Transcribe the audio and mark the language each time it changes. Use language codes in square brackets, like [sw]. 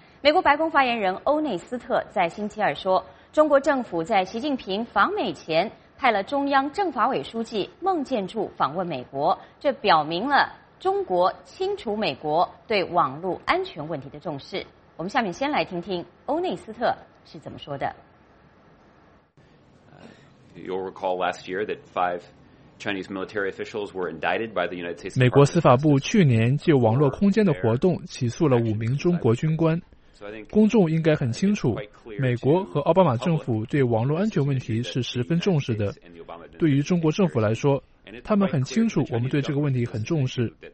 [zh] 美国白宫发言人欧内斯特在星期二说，中国政府在习近平访美前派了中央政法委书记孟建柱访问美国，这表明了中国清楚美国对网络安全问题的重视。我们下面先来听听欧内斯特是怎么说的。 [en] You'll recall last year that five Chinese military officials were indicted by the United States. [zh] 美国司法部去年就网络空间的活动起诉了5名中国军官。公众应该很清楚，美国和奥巴马政府对网络安全问题是十分重视的。对于中国政府来说，他们很清楚我们对这个问题很重视。